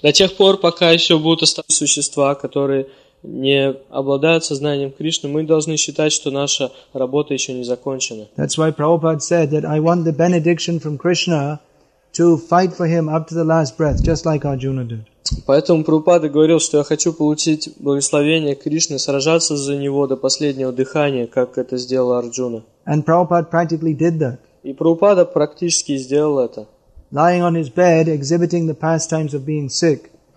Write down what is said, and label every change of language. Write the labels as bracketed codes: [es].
[ru] До тех пор, пока еще будут оставаться существа, которые не обладают сознанием Кришны, мы должны считать, что наша работа еще не закончена. [en] That's why Prabhupada said that I want the benediction from Krishna to fight for him up to the last breath, just like Arjuna did. [ru] Поэтому Прабхупада говорил, что я хочу получить благословение Кришны, сражаться за Него до последнего дыхания, как это сделал Арджуна. [en] And Prabhupada practically did that. [ru] И Прабхупада практически сделал это. [en] Lying on his bed, exhibiting the pastimes of being sick.